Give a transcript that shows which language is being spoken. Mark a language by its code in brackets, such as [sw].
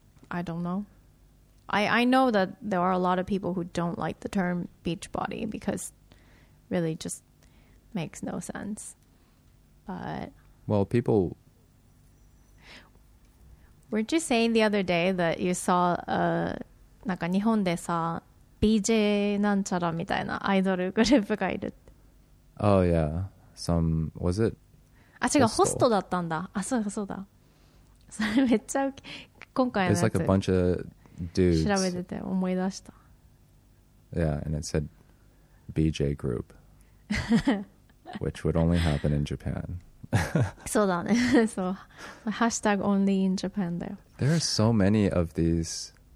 [en] I don't know. I know that there are a lot of people who don't like the term beach body because really just makes no sense. But... Well, people... Weren't you saying the other day that you saw... [ja] なんか日本でさ BJ なんちゃらみたいなアイドルグループがいる。 [en] Oh yeah. Some, was it? [ja] あ、違う、ホストだったんだ。あ、そうだ、そうだ。それめっちゃ今回のやつ。 [en] It's like a bunch of dudes. [ja] 調べてて思い出した。 [en] Yeah, and it said BJ group. Which would only happen in Japan. [ja] そうだね。そう。ハッシュタグ [en] only in Japan [ja] だよ。 [en] There are so many of these.